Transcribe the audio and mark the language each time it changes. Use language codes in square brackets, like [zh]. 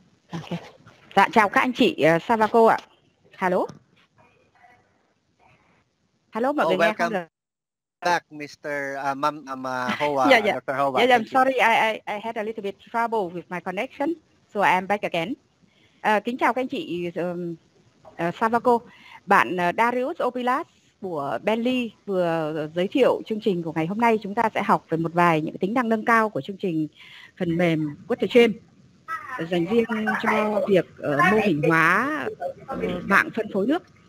[vi] Okay. Dạ chào các anh chị SAWACO ạ. Hello. Hello mọi người nghe không [en] được. Welcome back, Mr. Hova. Dr. Hova. Yeah, I'm sorry, I had a little bit trouble with my connection, so I'm back again. [vi] Kính chào các anh chị SAWACO. Bạn Darius Opilas của Bentley vừa giới thiệu chương trình của ngày hôm nay. Chúng ta sẽ học về một vài những tính năng nâng cao của chương trình phần mềm WaterGEMS dành riêng cho việc mô hình hóa mạng phân phối nước.